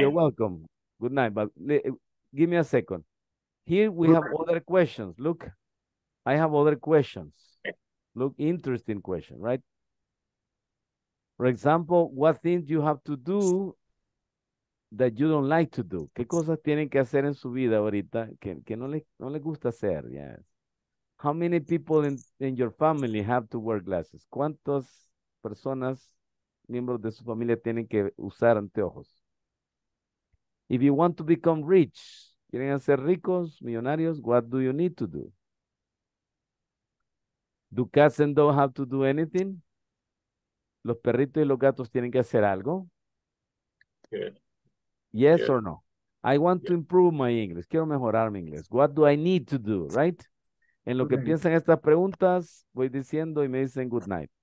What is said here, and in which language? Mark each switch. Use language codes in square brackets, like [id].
[en] You're welcome. Good night. But give me a second. Here we have other questions. Look, I have other questions. Okay. Look, interesting question, right? For example, what things you have to do that you don't like to do? [es] ¿Qué cosas tienen que hacer en su vida ahorita que no le gusta hacer? [en] Yeah. How many people in your family have to wear glasses? [es] ¿Cuántas personas, miembros de su familia, tienen que usar anteojos? [en] If you want to become rich, [es] ¿quieren ser ricos, millonarios? [en] What do you need to do? ¿Do cats and dogs have to do anything? [es] ¿Los perritos y los gatos tienen que hacer algo? [en] Yeah. Yes, yeah. Or no? I want to improve my English. [es] Quiero mejorar mi inglés. [en] What do I need to do, right? [es] En lo que piensan estas preguntas, voy diciendo y me dicen [en] good night.